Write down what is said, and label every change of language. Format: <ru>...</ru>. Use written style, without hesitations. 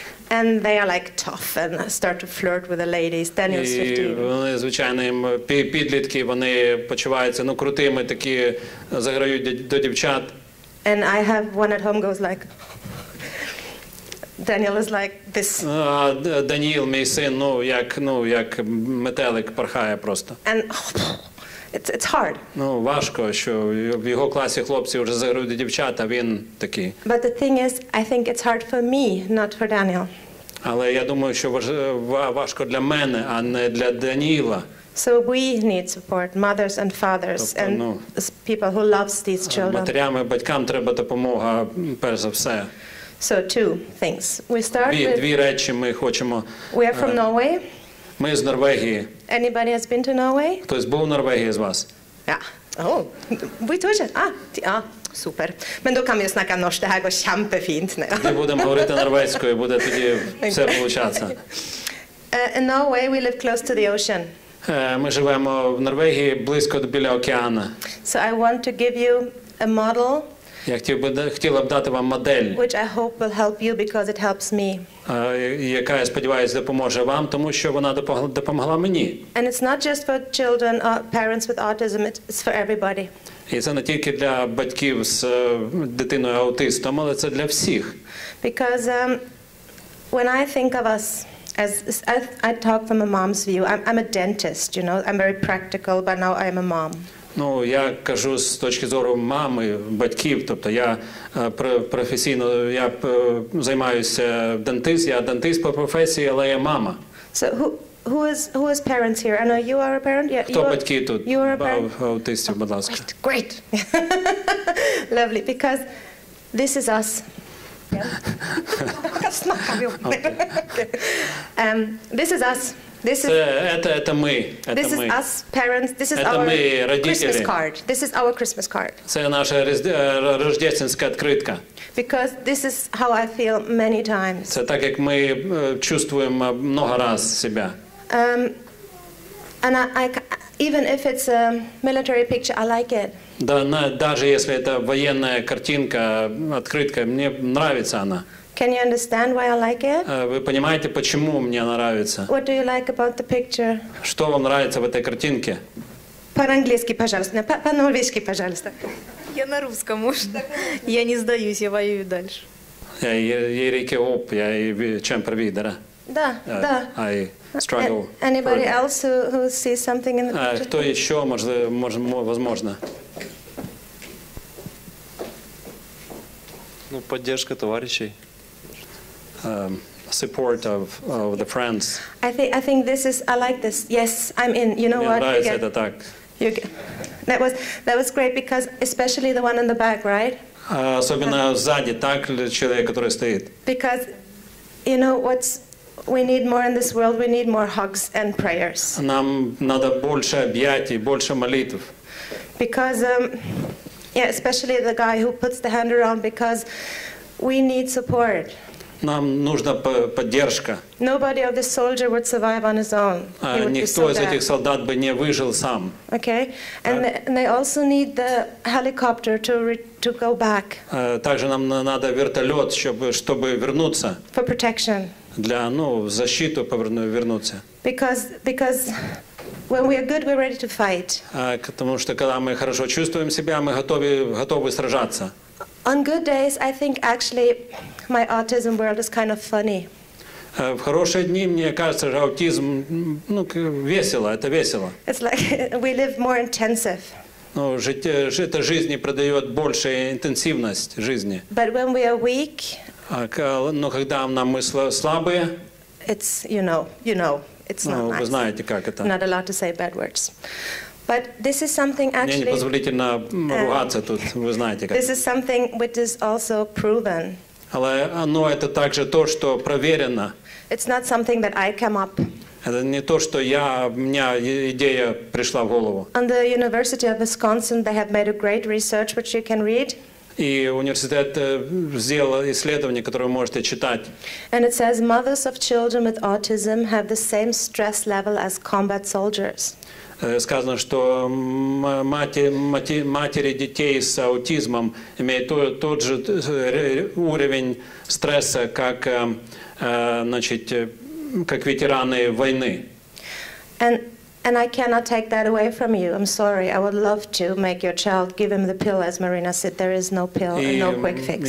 <en>And they are like tough and start to flirt with the ladies. Daniel's 15.</en> <uk>І вони, звичайно, підлітки, вони почуваються, ну, крутими такі, заграють до дівчат.</uk> <en>And I have one at home goes like Daniel is like this.</en> <uk>Даніїл, мій син, як метелик порхає просто.</uk> <en>And It's hard.</en> <uk>Ну, важко, що в його класі хлопці вже заграють до дівчат, а він такий.</uk> <en>But the thing is, I think it's hard for me, not for Daniel.</en> <uk>Але я думаю, що важко для мене, а не для Даніїла.</uk> <en>So we need support, mothers and fathers,</en> <uk>тобто,</uk> <en>and people who loves these children.</en> <uk>Матерям і батькам треба допомога, перш за все.</uk> <en>So two things. We start</en> <uk>дві речі ми хочемо.</uk> <en>We are from Norway.</en> <uk>Ми з Норвегії.</uk> <en>Anybody has been to Norway?</en> <uk>Хтось був у Норвегії з вас?</uk> <en>Yeah. Oh,</en> <uk>ви теж? Супер.</uk> <no>Men du kan ju snacka norska, här går kjempefint.</no> <uk>Ми будемо говорити норвезькою, буде тоді все получатися.</uk> <en>In Norway we live close to the ocean.</en> <uk>Ми живемо в Норвегії, близько біля океану.</uk> <en>So I want to give you a model.</en> <uk>Я хотіла б дати вам модель,</uk> <en>which I hope will help you because it helps me.</en> <uk>Яка, я сподіваюся, допоможе вам, тому що вона допомогла мені.</uk> <en>And it's not just for children or parents with autism, it's for everybody.</en> <uk>І це не тільки для батьків з дитиною аутистом, але це для всіх.</uk> <en>Because when I think of us as I talk from a mom's view, I'm a dentist, you know, I'm very practical, but now I'm a mom.</en> <uk>Ну, я кажу з точки зору мами, батьків, тобто я професійно, я займаюся дентист, я дентист по професії, але я мама.</uk> <en>So who is parents here? I know you are a parent. Yeah,</en> <uk>хто батьки тут?</uk> <en>You are a parent.</en> <uk>Аутистів, будь ласка.</uk> <en>Great. Lovely, because this is us.</en> <uk>голосно говорю.</uk> <en>Okay. This is us. This is,</en> <ru>это мы.</ru> <en>This is us, parents. This is our Christmas card. This is our Christmas card.</en> <uk>Це наша</uk> <ru>рождественская открытка.</ru> <en>Because this is how I feel many times.</en> <uk>Це так, як ми</uk> <ru>чувствуем много раз себя.</ru> <en>And I even if it's a military picture, I like it.</en> <ru>Да, даже если это военная картинка, открытка, мне нравится она. Can you understand why I like it? Вы понимаете, почему мне нравится? What do you like about the picture? Что вам нравится в этой картинке? По-английски, пожалуйста. По-норвежски, пожалуйста. Я на русском, может. Я не сдаюсь, я воюю дальше.</ru> <no>Я Ерике Оп, я чемпер видера.</no> <ru>Да, да.</ru> <en>I struggle. Anybody else who sees something in the picture?</en> <ru>Кто еще, может, возможно? Ну, поддержка товарищей.</ru> <en>Support of the friends. I think this is, I like this. Yes, I'm in. You know what?</en> <ru>Мне нравится это так.</ru> <en>That was great because especially the one in the back, right?</en> <ru>Особенно сзади, так, человек, который стоит.</ru> <en>Because, you know, we need more in this world, we need more hugs and prayers.</en> <ru>Нам надо больше объятий, больше молитв.</ru> <en>Because, especially the guy who puts the hand around, because we need support.</en> <ru>Нам нужна поддержка.</ru> <en>Nobody of the soldier would survive on his own.</en> <ru>Никто из этих солдат бы не выжил сам.</ru> <en>Okay, and they also need the helicopter to go back.</en> <ru>Также нам надо вертолет, чтобы вернуться.</ru> <en>For protection.</en> <ru>Для защиту вернуться.</ru> <en>Because when we are good, we're ready to fight.</en> <ru>Потому что когда мы хорошо чувствуем себя, мы готовы сражаться.</ru> <en>On good days, I think actually my autism world is kind of funny.</en> <ru>В хорошие дни мне кажется, что аутизм, весело, это весело.</ru> <en>It's like we live more intensive.</en> <ru>Эта жизнь придает больше интенсивность жизни.</ru> <en>But when we are weak,</en> <ru>когда мы слабые,</ru> <en>it's not nice.</en> <ru>Вы знаете, как это.</ru> <en>Not allowed to say bad words. But this is something actually.</en> <ru>Не позволительно ругаться тут, вы знаете как.</ru> <en>This is something which is also proven.</en> <ru>Але оно это также то, что проверено.</ru> <en>It's not something that I came up.</en> <ru>Это не то, что у меня идея пришла в голову.</ru> <en>On the University of Wisconsin, they have made a great research which you can read.</en> <ru>И университет сделал исследование, которое вы можете читать.</ru> <en>And it says mothers of children with autism have the same stress level as combat soldiers.</en> <ru>Сказано, что матери детей с аутизмом имеют тот же уровень стресса, как ветераны войны.</ru> <en>And I cannot take that away from you. I'm sorry. I would love to make your child give him the pill, as Marina said. There is no pill and no quick fix.</en>